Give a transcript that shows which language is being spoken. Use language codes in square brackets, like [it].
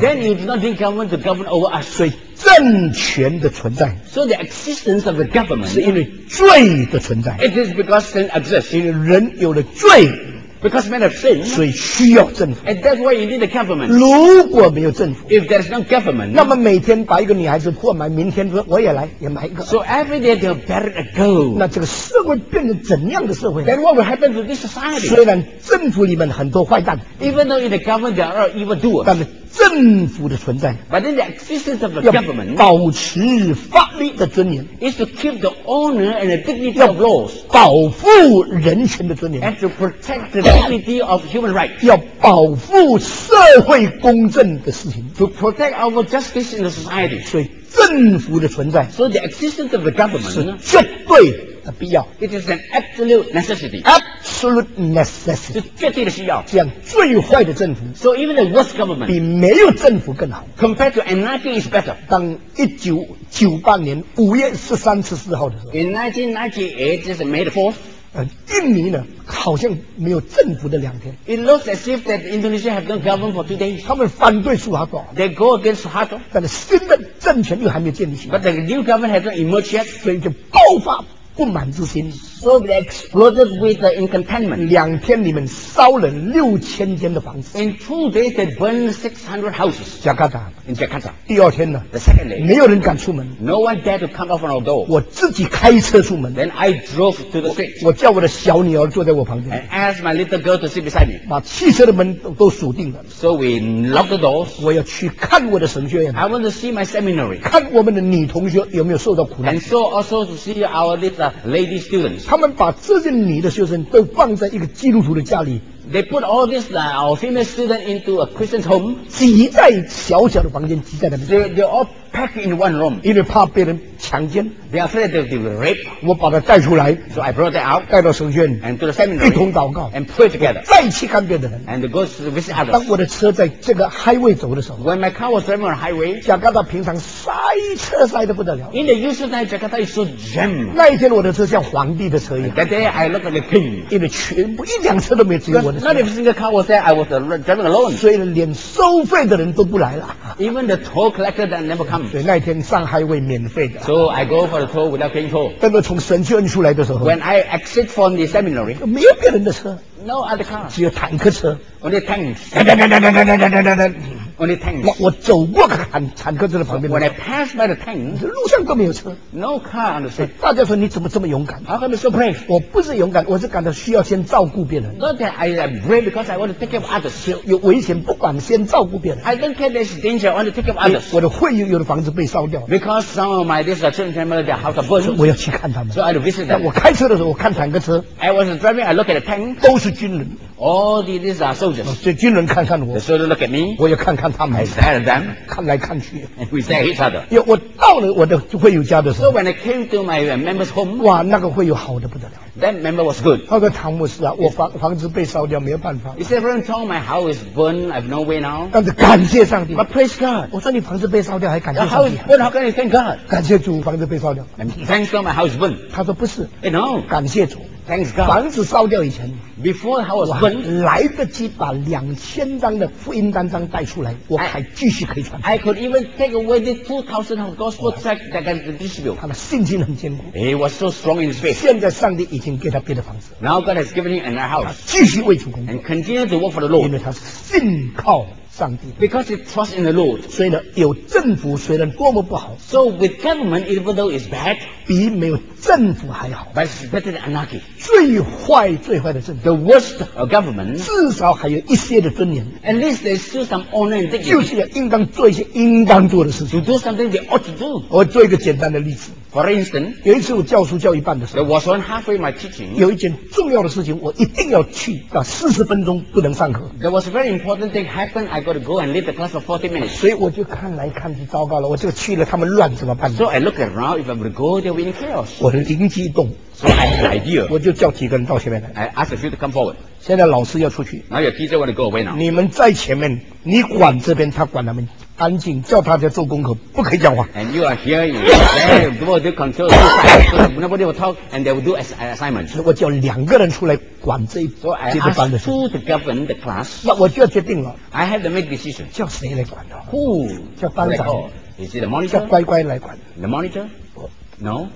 [en] Then you do not need government to govern over us. [zh] 所以政权的存在， [en] So the existence of the government, [zh] 是因为罪的存在。 [en] It is because sin exists. [zh] 因为人有了罪。 [en] Because men have sinned, [zh] 所以需要政府。 [en] And that's why you need the government. [zh] 如果没有政府， [en] if there's no government, [zh] 那么每天把一个女孩子破埋，明天我也来也埋一个。 [en] So every day they'll bury a girl. [zh] 那这个社会变成怎样的社会？ [en] Then what will happen to this society? [zh] 虽然政府里面很多坏蛋， [en] even though in the government there are evil doers, [zh] 但是政府的存在， [en] but then the existence of the government, [zh] 要保持法律的尊严， [en] is to keep the honor and the dignity of laws, [zh] 保护人权的尊严， [en] and to protect the dignity of human rights, [zh] 要保护社会公正的事情， [en] to protect our justice in the society. [zh] 所以政府的存在， [en] so the existence of the government, 是绝对的必要， it is an absolute necessity. Absolute necessity. [zh] 是绝对的需要。这样最坏的政府， [en] so even the worst government, [zh] 比没有政府更好。 [en] Compared to anarchy is better. [zh] 当1998年5月13、14号的时候， [en] in 1998, it is May the 4th, [zh] 印尼呢好像没有政府的两天。 [en] It looks as if that Indonesia have no government for 2 days. [zh] 他们反对苏哈托。 [en] They go against 苏哈托。 [zh] 但是新的政权又还没建立起来。 [en] But the new government has not emerged yet. [zh] 所以就爆发不满之心。 [en] So they exploded with the incontentment. [zh] 两天你们烧了6000间的房子。 [en] In 2 days they burned 600 houses. Jakarta. In Jakarta. [zh] 第二天呢 [en] ？The second day. [zh] 没有人敢出门。 [en] No one dared to come out from our door. [zh] 我自己开车出门。 [en] Then I drove to the street. [zh] 我叫我的小女儿坐在我旁边。 [en] And asked my little girl to sit beside me. [zh] 把汽车的门都锁定了。 [en] So we locked the doors. [zh] 我要去看我的神学院。 [en] I want to see my seminary. [zh] 看我们的女同学有没有受到苦难。 [en] And so also to see our little lady students. [zh] 他们把这些女的学生都放在一个基督徒的家里。 [en] They put all these our female students into a Christian's home. [zh] 挤在小小的房间，挤在那边。 [en] They all packed in one room. [zh] 因为怕被人强奸。 [en] They are afraid they will rape. [zh] 我把他带出来。 [en] So I brought them out. [zh] 带到神学院。 [en] And to the seminary. [zh] 一同祷告。 [en] And pray together. [zh] 再去看别的人。 [en] And go to visit others. [zh] 当我的车在这个 highway 走的时候。 [en] When my car was driving on highway. [zh] 加拿大平常塞车塞得不得了。 [en] In the usual time, Jakarta is so jammed. [zh] 那一天我的车像皇帝的车一样。 [en] That day I looked like a king. [zh] 因为全部一辆车都没有经过。 [en] Not every single car was there. I was driving alone. [zh] 所以连收费的人都不来了。 [en] Even the toll collector that never comes. [zh] 对，那天上 highway 免费的。 [en] So I go for the toll without paying toll. [zh] 等到从神学院出来的时候。 [en] When I exit from the seminary. [zh] 没有别人的车。 [en] No other car. [zh] 只有坦克车。 [en] Only tanks. 哒哒哒哒哒哒哒哒哒哒。Only tanks. [zh] 我走过坦克车的旁边。 [en] When I pass by the tanks. [zh] 路上都没有车。 [en] No car on the street. [zh] 大家说你怎么这么勇敢 [en] ？How come you so brave? [zh] 我不是勇敢，我是感到需要先照顾别人。 [en] Not that I am brave because I want to take care of others. [zh] 有危险不管先照顾别人。 [en] I don't care there's danger. I want to take care of others. [zh] 我的会友有的房子被烧掉。 [en] Because some of my children family their house burned. [zh] 我要去看他们。 [en] So I visit them. [zh] 我开车的时候我看坦克车。 [en] I was driving. I look at the tanks. [zh] 都是军人。 [en] All these are soldiers. [zh] 这军人看看我。 [en] The soldiers look at me. [zh] 我也看看他们。 [en] I stare at them. [zh] 看来看去。 [en] And we stare at each other. [zh] 因为我到了我的会友家的时候。 [en] So when I came to my member's home. [zh] 哇，那个会友好的不得了。 [en] That member was good. [zh] 他说汤姆斯啊，我房子被烧掉，没有办法。 [en] He said, "Friend Tom, my house is burned. I have no way now." [zh] 但是感谢上帝。 [en] But praise God. [zh] 我说你房子被烧掉还感谢上帝。 [en] Your house burned. How can you thank God? [zh] 感谢主，房子被烧掉。 [en] Thanks God, my house burned. [zh] 他说不是。 [en] Hey, no. [zh] 感谢主。 [en] Thanks God. [zh] 房子烧掉以前 [en] ，before I was burned， [zh] 来得及把2000张的福音单张带出来，我还继续可以传。 [en] I could even take away the 2000 of gospel tract that can distribute. [zh] 他的信心很坚固。 [en] He was so strong in his faith. [zh] 现在上帝已经给他别的房子。 [en] Now God has given him another house. [zh] 继续为主工作。 [en] And continue to work for the Lord. [zh] 因为他信靠。上帝 [en] ，because it trust in the Lord， [zh] 所以呢，有政府虽然多么不好 [en] ，so with government even though it's bad， [zh] 比没有政府还好 [en] ，but it's better than anarchy。 [zh] 最坏的政府 [en] ，the worst government， [zh] 至少还有一些的尊严 [en] ，at least there's still some honor and dignity。 [zh] 就是要应当做一些应当做的事情 [en] ，to do something they ought to do。 [zh] 我做一个简单的例子 [en] ，for instance， [zh] 有一次我教书教一半的时候 [en] ，there was one halfway my teaching， [zh] 有一件重要的事情我一定要去啊，40分钟不能上课。 [en] There was a very important thing happened I。 Got to go and leave the class for 40 minutes. [zh] 所以我就看来看去，糟糕了，我就去了，他们乱怎么办 [en] ？So I look around. If I'm to go, they will be in chaos. [zh] 我的灵机一动 [en] ，So I have an idea. [zh] 我就叫几个人到前面来。 [en] I ask a few to come forward. [zh] 现在老师要出去。 [en] Now your teacher want to go away now. [zh] 你们在前面，你管这边，他管他们，安静，叫他在做功课，不可以讲话。 [en] And you are here. You will do control. So nobody will talk, and they will do assignments. [zh] 我叫两个人出来。管这一所以 [en] I ask who to govern the class. [zh] 那我就要决定了。 [en] I have to make decision. [zh] 叫谁来管呢 [en] ？Who [zh] 叫班长 [en] ？Is it the monitor? [zh] 叫乖乖来管。 [en] The monitor? No.